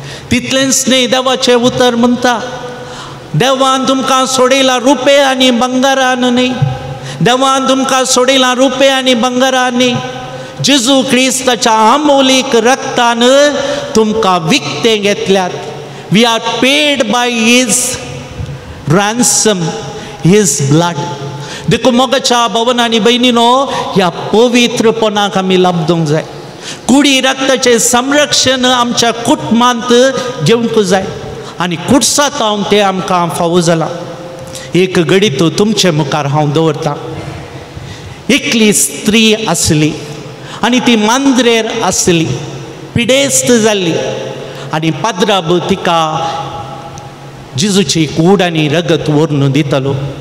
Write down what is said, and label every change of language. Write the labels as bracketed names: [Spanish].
[Konkani] तितलेंच न्ही देवाचें उतर म्हणटा, देवान तुमकां सोडयला रुपे आनी बंगारान न्ही, देवान तुमकां सोडयला रुपे आनी बंगारान न्ही, जेजू क्रिस्ताच्या अमोलीक रक्तान तुमकां विकतें घेतल्यात। [English] We are paid by his ransom his blood. [Konkani] देखू मोगाच्या भावनांनी भयणीनो, ह्या पवित्रपणाक आमी लाबदूंक जाय, कुडी रक्ताचें संरक्षण आमच्या कुटुंबांत घेवंक जाय आनी कुडसांत हांव तें आमकां फावो जालां। एक घडीत तुमचे मुखार हांव दवरतां। एकली स्त्री आसली आनी ती मांद्रेर आसली, पिडेस्त जाल्ली आनी पाद्राब तिका जिजूची कूड आनी रगत व्हरून दितलो।